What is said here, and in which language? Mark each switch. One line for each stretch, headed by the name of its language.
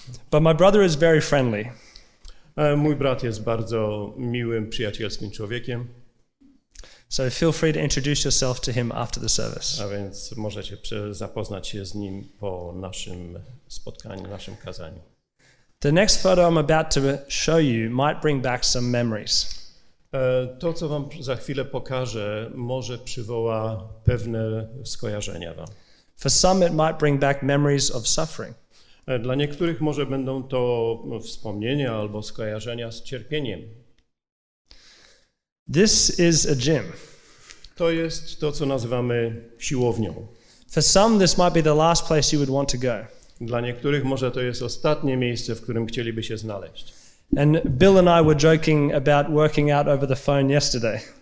English: But my brother is very friendly.
Polish: Mój brat jest bardzo miłym, przyjacielskim człowiekiem.
English: So feel free to introduce yourself to him after the service.
Polish: A więc możecie zapoznać się z nim po naszym spotkaniu, naszym kazaniu.
English: The next photo I'm about to show you might bring back some memories.
Polish: To, co wam za chwilę pokażę, może przywoła pewne skojarzenia wam.
English: For some it might bring back memories of suffering.
Polish: Dla niektórych może będą to wspomnienia albo skojarzenia z cierpieniem.
English: This is a gym.
Polish: To jest to, co nazywamy siłownią.
English: For some this might be the last place you would want to go.
Polish: Dla niektórych może to jest ostatnie miejsce, w którym chcieliby się znaleźć.
English: And Bill and I were joking about working out over the phone yesterday.